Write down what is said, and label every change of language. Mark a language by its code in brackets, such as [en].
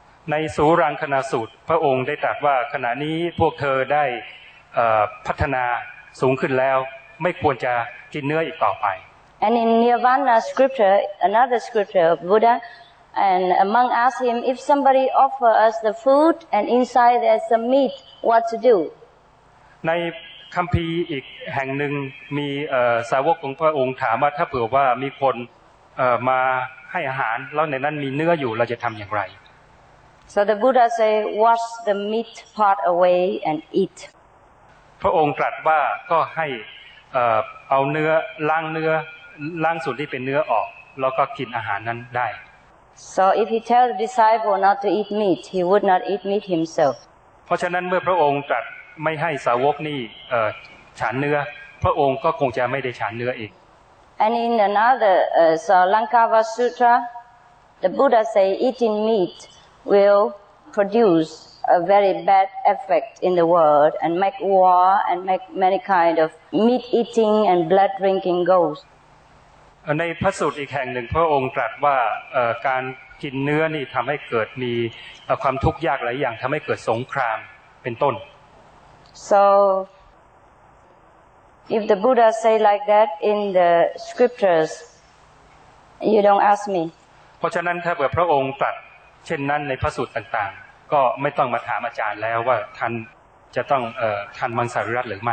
[th] ในสุรังคณสูตรพระองค์ได้ตรัสว่าขณะนี้พวกเธอได้พัฒนาสูงขึ้นแล้วไม่ควรจะกินเนื้ออีกต่อไป [en] And in Nirvana scripture, another scripture of Buddha, and a monk asked him, if somebody offer us the food and inside there's some meat, what to do? [th] ในคำพีอีกแห่งหนึ่งมีสาวกของพระองค์ถามว่าถ้าเผื่อว่ามีคนมาให้อาหารแล้วในนั้นมีเนื้ออยู่เราจะทำอย่างไร [en] So the Buddha say wash the meat part away and eat [th] พระองค์ตรัสว่าก็ให้เอาเนื้อล้างเนื้อล้างส่วนที่เป็นเนื้อออกแล้วก็กินอาหารนั้นได้ [en] So if he tells the disciple not to eat meat, he would not eat meat himself. [th] เพราะฉะนั้นเมื่อพระองค์ตรัสไม่ให้สาวกนี่ฉันเนื้อพระองค์ก็คงจะไม่ได้ฉันเนื้อเอง [en] And in another Sālankāva Sutra, the Buddha say eating meat will produce a very bad effect in the world and make war and make many kind of meat eating and blood drinking goes. [th] ในพระสูตรอีกแห่งหนึ่งพระองค์ตรัสว่าการกินเนื้อนี่ทำให้เกิดมีความทุกข์ยากหลายอย่างทำให้เกิดสงครามเป็นต้น [en] So if the Buddha say like that in the scriptures you don't ask me [th] เพราะฉะนั้นถ้าเกิดพระองค์ตรัสเช่นนั้นในพระสูตรต่างๆก็ไม่ต้องมาถามอาจารย์แล้วว่าท่านจะต้องท่านมังสวิรัติหรือไม